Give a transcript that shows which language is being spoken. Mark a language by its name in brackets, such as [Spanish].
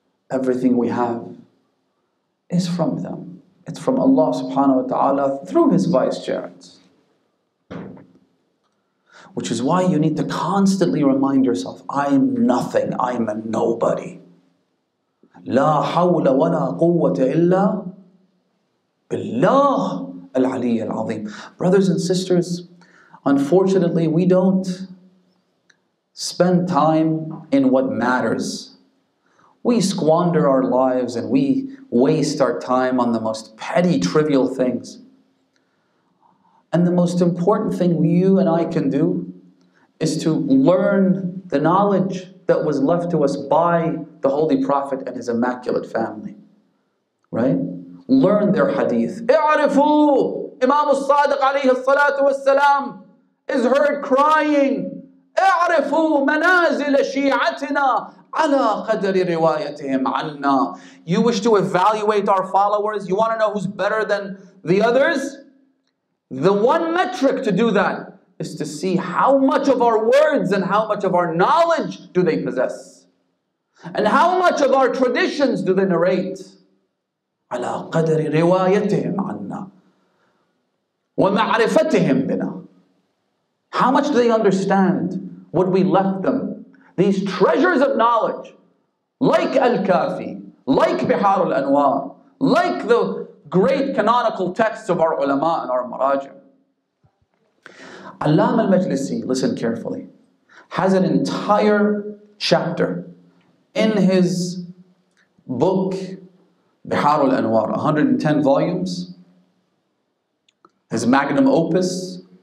[English] Everything we have is from them. It's from Allah subhanahu wa ta'ala through his vicegerents. Which is why you need to constantly remind yourself, I'm nothing, I'm a nobody. [Arabic] لا حول ولا قوة إلا بالله العلي العظيم. [English] Brothers and sisters, unfortunately we don't spend time in what matters. We squander our lives and we waste our time on the most petty, trivial things. And the most important thing you and I can do is to learn the knowledge that was left to us by the Holy Prophet and his Immaculate Family. Right? Learn their hadith. اعرفوا Imam al-Sadiq alayhi salatu wasalam is heard crying. [Arabic] اعرفوا منازل شيعتنا على قدر روايتهم عنا. [English] You wish to evaluate our followers? You want to know who's better than the others? The one metric to do that is to see how much of our words and how much of our knowledge do they possess. And how much of our traditions do they narrate? [Arabic] على قدر روايتهم عنا ومعرفتهم بنا. [English] How much do they understand what we left them? These treasures of knowledge, like Al-Kafi, like Bihar al-Anwar, like the great canonical texts of our ulama and our maraji. Allama al-Majlisi, listen carefully, has an entire chapter in his book, Bihar al-Anwar, 110 volumes, his magnum opus.